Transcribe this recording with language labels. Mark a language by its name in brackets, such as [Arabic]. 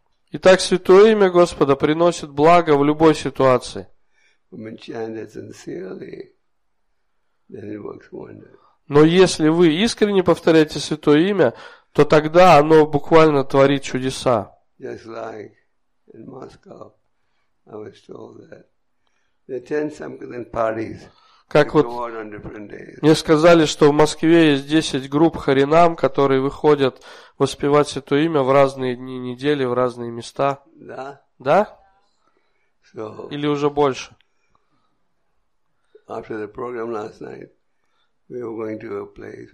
[Russian] Итак, святое имя Господа приносит благо в любой ситуации. Но если вы искренне повторяете святое имя, то тогда оно буквально творит чудеса. [English] In Moscow, I was told that they attend some kind of parties. [Russian] Как вот мне сказали, что в Москве есть 10 групп харинам, которые выходят воспевать святое имя в разные дни недели, в разные места. Да? Да? [English] So, [Russian] или уже больше? [English] After the program last night, we were going to a place.